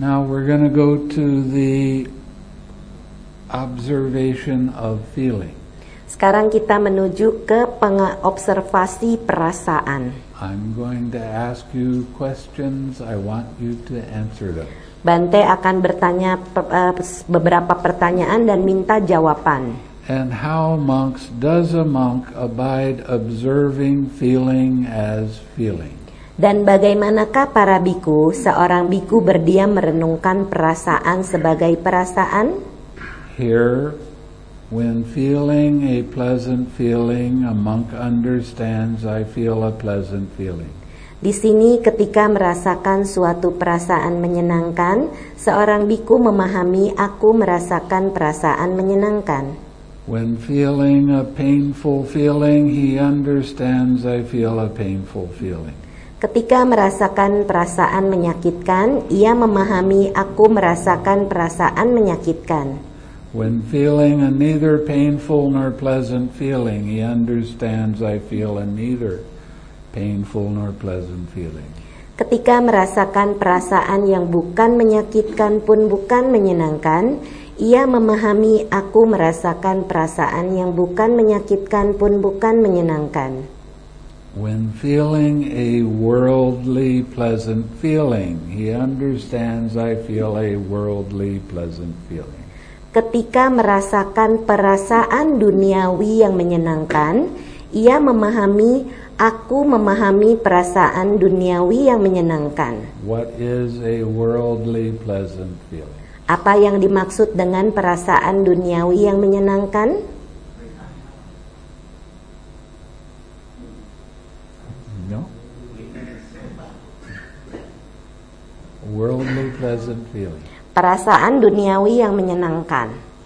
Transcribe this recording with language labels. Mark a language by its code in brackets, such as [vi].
[en] Now we're going to go to the observation of feeling. [id] Sekarang kita menuju ke pengobservasi perasaan. [en] I'm going to ask you questions. I want you to answer them. [id] Bante akan bertanya beberapa pertanyaan dan minta jawaban. [en] And how monks does a monk abide observing feeling as feeling? [id] Dan bagaimanakah para bhikkhu, seorang bhikkhu berdiam merenungkan perasaan sebagai perasaan? [en] Here, when feeling a pleasant feeling, a monk understands I feel a pleasant feeling. [id] Di sini ketika merasakan suatu perasaan menyenangkan, seorang bhikkhu memahami aku merasakan perasaan menyenangkan. [en] When feeling a painful feeling, he understands I feel a painful feeling. [id] Ketika merasakan perasaan menyakitkan, ia memahami aku merasakan perasaan menyakitkan. [en] When feeling a neither painful nor pleasant feeling, he understands I feel a neither painful nor pleasant feeling. [id] Ketika merasakan perasaan yang bukan menyakitkan pun bukan menyenangkan, ia memahami aku merasakan perasaan yang bukan menyakitkan pun bukan menyenangkan. [en] When feeling a worldly pleasant feeling, he understands I feel a worldly pleasant feeling. [id] Ketika merasakan perasaan duniawi yang menyenangkan, ia memahami aku memahami perasaan duniawi yang menyenangkan. [en] What is a worldly pleasant feeling? [id] Apa yang dimaksud dengan perasaan duniawi yang menyenangkan? [en] No. Worldly pleasant feeling. [id] Perasaan duniawi yang menyenangkan.